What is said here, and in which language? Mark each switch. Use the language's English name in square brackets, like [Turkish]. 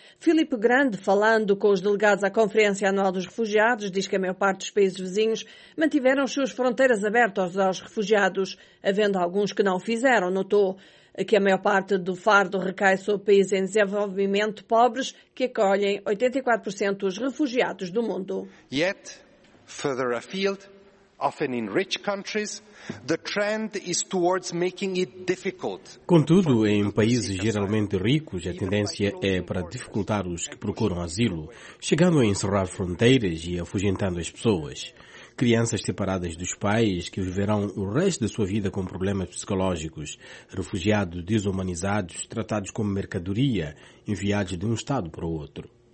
[Portuguese] Filipe Grande, falando com os delegados à Conferência Anual dos Refugiados, diz que a maior parte dos países vizinhos mantiveram suas fronteiras abertas aos refugiados, havendo alguns que não o fizeram, notou. Que a maior parte do fardo recai sobre países em desenvolvimento pobres, que acolhem 84% dos refugiados do mundo. [English] Yet, further afield, often in rich countries, the trend is towards making it difficult. [Portuguese] Contudo, em países geralmente ricos, a tendência é para dificultar os que procuram asilo, chegando a encerrar fronteiras e afugentando as pessoas. Crianças separadas dos pais que viverão o resto da sua vida com problemas psicológicos, refugiados desumanizados, tratados como mercadoria, enviados de um estado para o outro.